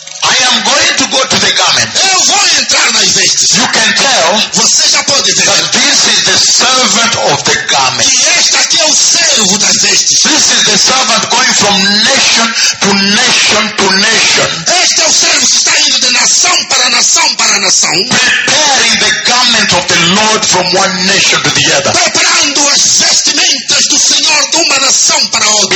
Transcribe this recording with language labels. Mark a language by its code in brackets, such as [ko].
[en] I am going to go to the garment. [pt] Eu vou entrar nas vestes. [en] You can tell. [pt] Você já pode ver. [en] That this is the servant of the garment. [pt] E este aqui é o servo das vestes. [en] This is the servant going from nation to nation to nation. [pt] Este é o servo que está indo de nação para nação para nação. [en] Preparing the garment of the Lord from one nation to the other. [pt] Preparando as vestimentas do Senhor de uma nação para outra.